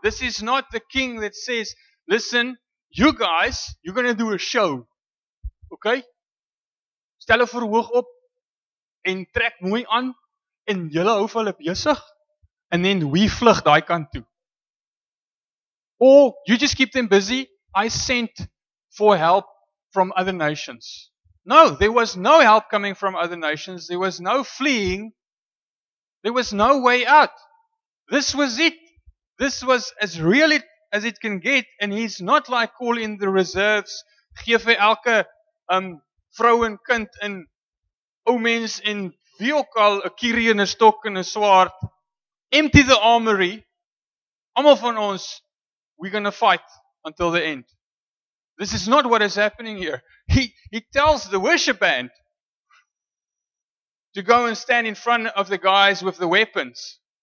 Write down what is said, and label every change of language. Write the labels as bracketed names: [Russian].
[English] This is not the king that says, listen, you guys, you're going to do a show. Okay? [Afrikaans] Stel verhoog op en trek mooi aan en julle hou hulle besig. [English] And then we [Afrikaans] vlug daai kant toe. [English] Or you just keep them busy. I sent for help from other nations. No, there was no help coming from other nations. There was no fleeing. There was no way out. This was it. This was as real it, as it can get. And he's not like calling the reserves. [Afrikaans] Gee vir elke vrou en kind en ou mens en wie ook al, 'n kierie en 'n stok en 'n swaard. [English] Empty the armory. [Afrikaans] Almal van ons, [English] we're going to fight until the end. This is not what is happening here. He tells the worship band to go and stand in front of the guys with the weapons.